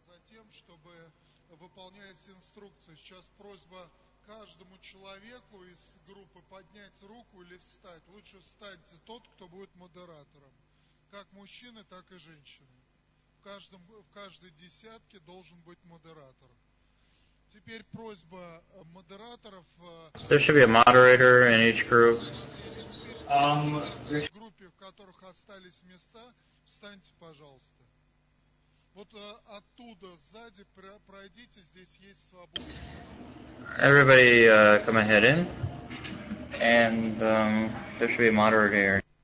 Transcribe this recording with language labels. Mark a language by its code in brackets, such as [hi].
[ru] тем, чтобы выполнять инструкцию. Сейчас просьба каждому человеку из группы поднять руку или встать. Лучше встаньте, тот, кто будет модератором. Как мужчины, так и женщины. В каждой десятке должен быть модератор. Теперь просьба модераторов. [en] There should be a moderator in each group. [ru] В группе, в которых остались места, встаньте, пожалуйста. Вот оттуда, сзади, пройдите, здесь есть свободное место. [en] Everybody come ahead in. And there should be a moderator here.